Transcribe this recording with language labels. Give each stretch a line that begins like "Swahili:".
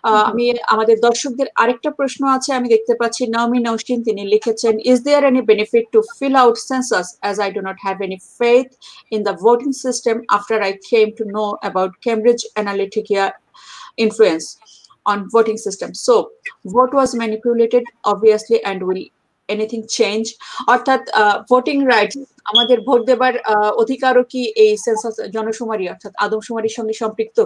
Bangla: আমি আমাদের দর্শকদের আরেকটা প্রশ্ন আছে, আমি দেখতে পাচ্ছি নাওমি নৌশিন, তিনি লিখেছেন,
English: Is there any benefit to fill out census as I do not have any faith in the voting system after I came to know about Cambridge Analytica influence on voting system. So, vote was manipulated, obviously, and will anything change?
Bangla: অর্থাৎ voting rights, আমাদের vote দেবার অধিকারও কি এই census জনশুমারি অর্থাৎ আদমশুমারির সঙ্গে সম্পৃক্ত?